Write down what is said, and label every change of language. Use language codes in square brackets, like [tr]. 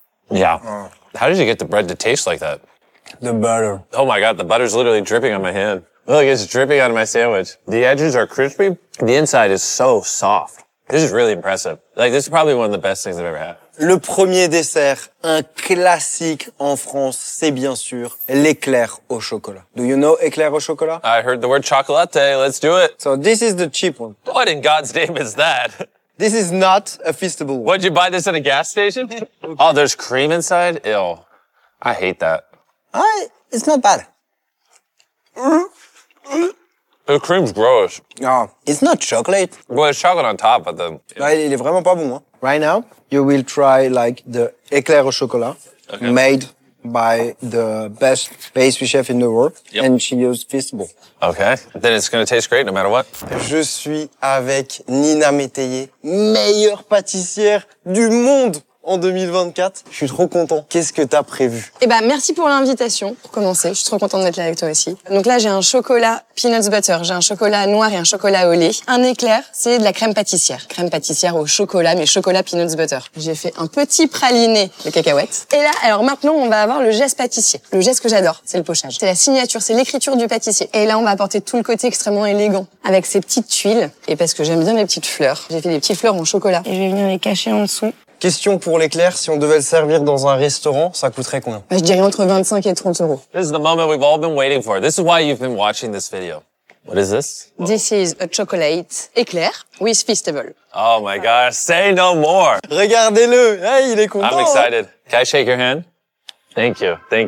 [en] Yeah. How did you get the bread to taste like that? The butter. Oh my God, the butter's literally dripping on my hand. Look, it's dripping out of my sandwich. The edges are crispy. The inside is so soft. This is really impressive. Like, this is probably one of the best things I've ever had. [fr] Le premier dessert, un classique en France, c'est bien sûr l'éclair au chocolat. [en] Do you know éclair au chocolat? I heard the word chocolate, let's do it. So this is the cheap one. What in God's name is that? This is not a Feastable one. What, did you buy this at a gas station? Okay. Oh, there's cream inside? Ew. I hate that. It's not bad. The cream's gross. No, it's not chocolate. Well, it's chocolate on top, but then... [fr] Yeah. Il est vraiment pas bon, hein? [en] Right now, you will try like the éclair au chocolat made by the best pastry chef in the world, and she used Feastable. Okay, then it's gonna taste great no matter what. [fr] Je suis avec Nina Métayer, meilleure pâtissière du monde en 2024. Je suis trop content. Qu'est-ce que t'as prévu? Eh ben, merci pour l'invitation. Pour commencer, je suis trop contente d'être là avec toi aussi. Donc là, j'ai un chocolat peanut butter. J'ai un chocolat noir et un chocolat au lait. Un éclair, c'est de la crème pâtissière. Crème pâtissière au chocolat, mais chocolat peanut butter. J'ai fait un petit praliné de cacahuètes. Et là, alors maintenant, on va avoir le geste pâtissier. Le geste que j'adore, c'est le pochage. C'est la signature, c'est l'écriture du pâtissier. Et là, on va apporter tout le côté extrêmement élégant avec ses petites tuiles. Et parce que j'aime bien mes petites fleurs, j'ai fait des petites fleurs en chocolat. Et je vais venir les cacher en dessous. Question pour l'éclair, si on devait le servir dans un restaurant, ça coûterait combien? Je dirais entre 25 et 30 euros. [en] This is the moment we've all been waiting for. This is why you've been watching this video. What is this? This is a chocolate éclair with Feastable. Oh my gosh, say no more! [fr] Regardez-le! Hey, il est content! [en] I'm excited. Hein? Can I shake your hand? Thank you.